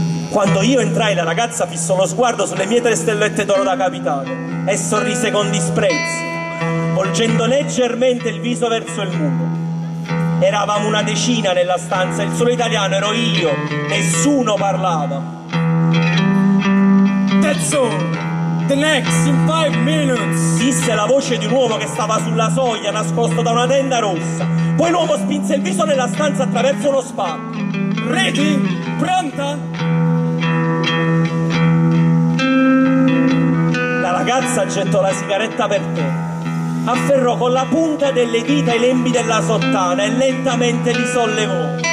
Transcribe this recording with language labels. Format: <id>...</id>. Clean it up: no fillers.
<it>Quando io entrai, la ragazza fissò lo sguardo sulle mie 3 stellette d'oro da capitano e sorrise con disprezzo. volgendo leggermente il viso verso il muro. Eravamo una decina nella stanza, il solo italiano ero io, nessuno parlava.</it> <en>That's all, the next in 5 minutes,</en> <it>disse la voce di un uomo che stava sulla soglia, nascosto da una tenda rossa. Poi l'uomo spinse il viso nella stanza attraverso uno spalto.</it> <en>Ready?</en> <it>Pronta? La ragazza gettò la sigaretta per te. Afferrò con la punta delle dita i lembi della sottana e lentamente li sollevò.</it>